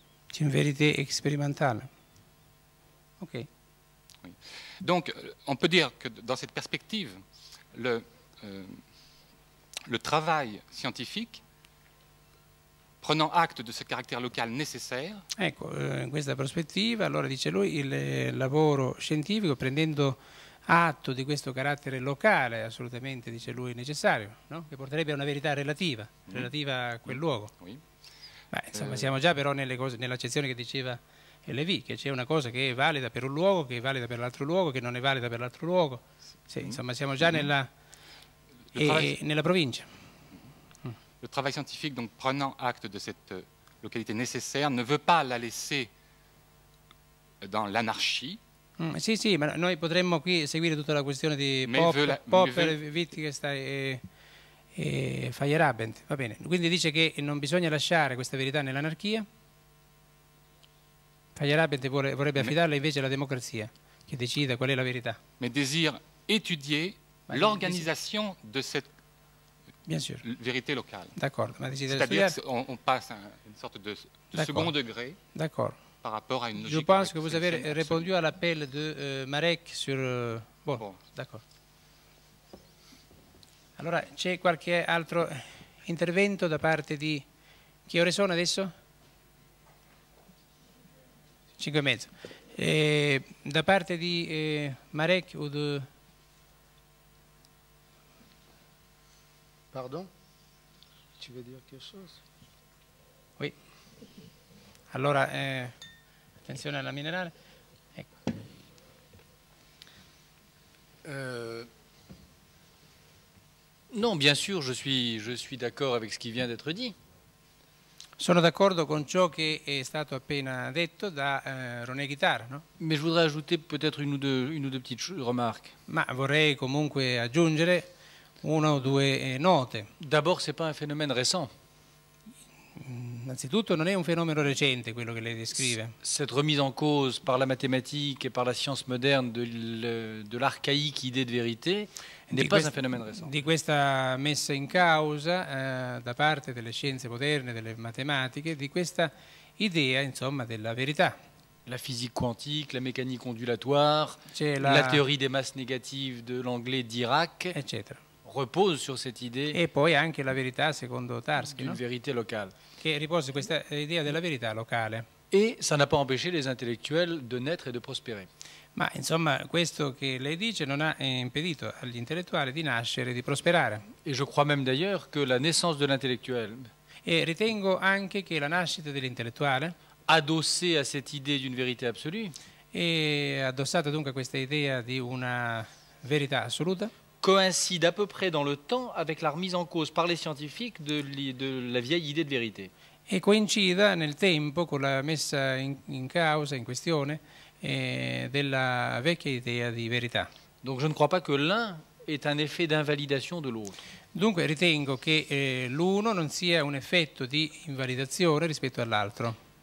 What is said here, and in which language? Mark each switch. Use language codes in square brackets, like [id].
[fr] C'est une vérité expérimentale. Ok. Oui. Donc, on peut dire que dans cette perspective, le travail scientifique, prenant acte de ce caractère local nécessaire. [it] Ecco, in questa prospettiva, allora dice lui, il lavoro scientifico, prendendo atto di questo carattere locale, assolutamente, dice lui, necessario, no? Che porterebbe a una verità relativa, relativa a quel luogo. [fr] Oui. [it] Beh, insomma, siamo già però nell'accezione che diceva Lévy, che c'è una cosa che è valida per un luogo, che è valida per l'altro luogo, che non è valida per l'altro luogo. Sì, insomma, siamo già nella provincia. [fr] Le travail scientifique, donc prenant acte de cette localité nécessaire, ne veut pas la laisser dans l'anarchie. [it] Sì, sì, ma noi potremmo qui seguire tutta la questione di Popper, Wittgenstein e Feyerabend. Va bene. Quindi dice che non bisogna lasciare questa verità nell'anarchia. Feyerabend vorrebbe affidarla invece alla democrazia, che decida qual è la verità. [fr] Mais désire étudier l'organisation de cette Bien sûr. Vérité locale. D'accord. C'est-à-dire qu'on passe à une sorte de second degré d'accord. Par rapport à une logique. Je pense que vous avez répondu à l'appel de Marek sur. Bon. D'accord. [it] Alors, c'è qualche altro intervento da parte di. Che ore sono adesso? 5:30. Da parte di Marek o di. [fr] Pardon, tu veux dire quelque chose? Oui. Alors, attention à la minérale. [it] Ecco. [fr] Non, bien sûr, je suis d'accord avec ce qui vient d'être dit. [it] Sono d'accordo con ciò che è stato appena detto da René Guitard, no? [fr] Mais je voudrais ajouter peut-être une ou deux petites remarques. [it] Ma vorrei comunque aggiungere. Una o due note. [fr] D'abord, c'est pas un phénomène récent. [it] Innanzitutto, non è un fenomeno recente quello che lei descrive. [fr] Cette remise en cause par la mathématique et par la science moderne de l'archaïque idée de vérité n'est pas un phénomène récent. [it] Di questa messa in causa da parte delle scienze moderne, delle matematiche, di questa idea, insomma, della verità. [fr] La physique quantique, la mécanique ondulatoire, la théorie des masses négatives de l'anglais Dirac, etc. Repose sur cette idée. [it] Et poi anche [fr] la vérité, [it] secondo Tarski. [fr] Une vérité locale. [it] Che ripose questa idea della verità locale. [fr] Et ça n'a pas empêché les intellectuels de naître et de prospérer. [it] Ma insomma, questo che lei dice non ha impedito agli intellettuali di nascere e di prosperare. [fr] Et je crois même d'ailleurs que la naissance de l'intellectuel. [it] Et ritengo anche che la nascita dell'intellettuale. [fr] Adossée à cette idée d'une vérité absolue. [it] Et addossata dunque a questa idea di una verità assoluta. [fr] Coïncide à peu près dans le temps avec la remise en cause par les scientifiques de la vieille idée de vérité. [it] Et coïncide nel tempo con la messa in causa, in questione, della vecchia idea di verità. [fr] Donc je ne crois pas que l'un est un effet d'invalidation de l'autre. [it] Dunque ritengo che l'uno non sia un effetto di invalidazione rispetto all'altro.